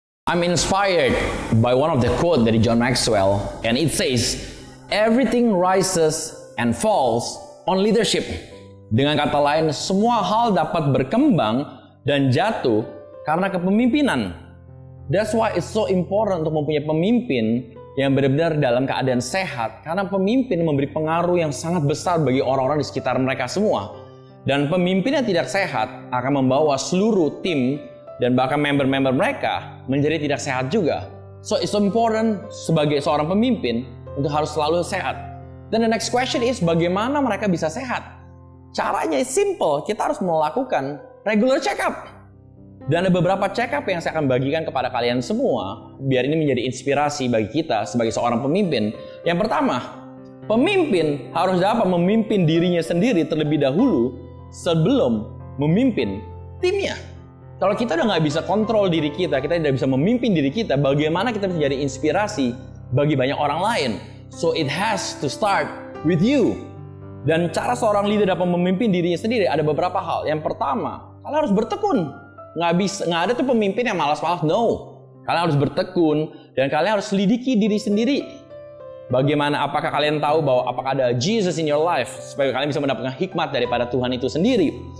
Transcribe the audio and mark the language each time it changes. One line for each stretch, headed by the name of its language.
English: I'm inspired by one of the quotes that John Maxwell, and it says, "Everything rises and falls on leadership."
Indonesian: Dengan kata lain, semua hal dapat berkembang dan jatuh karena kepemimpinan.
English: That's why it's so important
Indonesian: untuk mempunyai pemimpin yang benar-benar dalam keadaan sehat, karena pemimpin memberi pengaruh yang sangat besar bagi orang-orang di sekitar mereka semua. Dan pemimpin yang tidak sehat akan membawa seluruh tim dan bahkan member-member mereka menjadi tidak sehat juga.
English: So it's important
Indonesian: sebagai seorang pemimpin untuk harus selalu sehat.
English: Then the next question is,
Indonesian: bagaimana mereka bisa sehat? Caranya
English: is simple,
Indonesian: kita harus melakukan regular check-up. Dan ada beberapa check-up yang saya akan bagikan kepada kalian semua, biar ini menjadi inspirasi bagi kita sebagai seorang pemimpin. Yang pertama, pemimpin harus dapat memimpin dirinya sendiri terlebih dahulu sebelum memimpin timnya. Kalau kita udah nggak bisa kontrol diri kita, kita tidak bisa memimpin diri kita, bagaimana kita bisa jadi inspirasi bagi banyak orang lain?
English: So it has to start with you.
Indonesian: Dan cara seorang leader dapat memimpin dirinya sendiri, ada beberapa hal. Yang pertama, kalian harus bertekun. Nggak ada tuh pemimpin yang malas-malas, no. Kalian harus bertekun, dan kalian harus selidiki diri sendiri. Bagaimana, apakah kalian tahu bahwa apakah ada
English: Jesus in your life,
Indonesian: supaya kalian bisa mendapatkan hikmat daripada Tuhan itu sendiri.